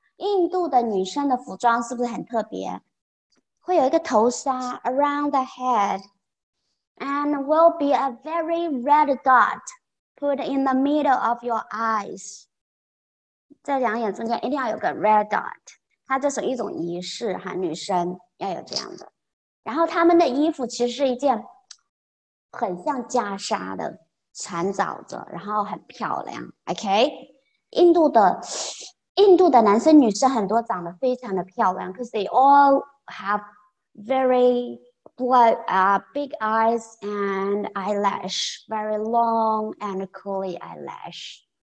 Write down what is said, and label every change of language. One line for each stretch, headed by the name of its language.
Chinese: 印度的女生的服装是不是很特别？会有一个头纱
English: around the head and will be a very red dot put in the middle of your eyes.
Chinese: 在两眼中间一定要有个 red dot. 它这是一种仪式，女生要有这样的。然后他们的衣服其实是一件很像袈裟的缠绕着，然后很漂亮。
English: OK?
Chinese: 印度的男生女生很多长得非常的漂亮
English: because they all haveVery blood, big eyes and eyelash, very long and curly eyelash.